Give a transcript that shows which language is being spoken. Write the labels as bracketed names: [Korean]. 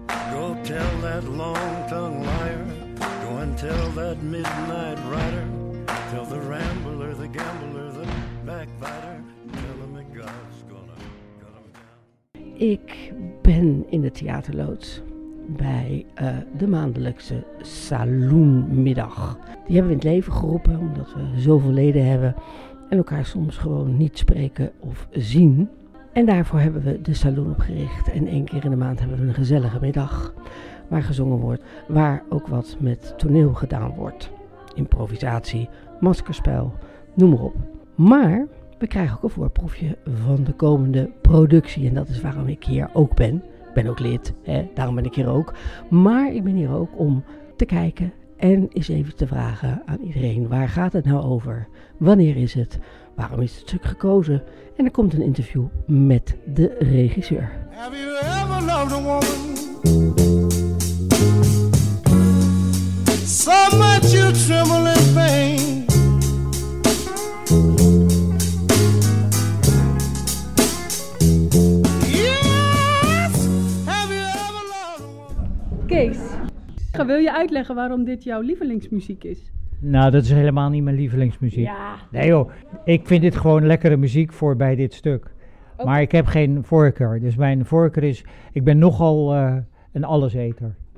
[English] Go tell that long-tongued liar, go and tell that midnight rider, tell the rambler, the gambler, the backbiter, tell him that God's gonna cut him down. [Dutch] Ik ben in de theaterloods bij de maandelijkse saloonmiddag. Die hebben we in het leven geroepen omdat we zoveel leden hebben en elkaar soms gewoon niet spreken of zien. En daarvoor hebben we de saloon opgericht en één keer in de maand hebben we een gezellige middag waar gezongen wordt, waar ook wat met toneel gedaan wordt. Improvisatie, maskerspel, noem maar op. Maar we krijgen ook een voorproefje van de komende productie en dat is waarom ik hier ook ben. Ik ben ook lid, hè? Daarom ben ik hier ook. Maar ik ben hier ook om te kijken en eens even te vragen aan iedereen, waar gaat het nou over? Wanneer is het? Waarom is het stuk gekozen? En er komt een interview met de regisseur. [English] Have you ever loved a woman? So much you tremble in pain. Yes! Have you ever loved a woman? [Dutch] Kees, wil je uitleggen waarom dit jouw lievelingsmuziek is? Nou, dat is helemaal niet mijn lievelingsmuziek. Ja. Nee joh, ik vind dit gewoon lekkere muziek voor bij dit stuk. Okay. Maar ik heb geen voorkeur. Dus mijn voorkeur is, ik ben nogal een alleseter.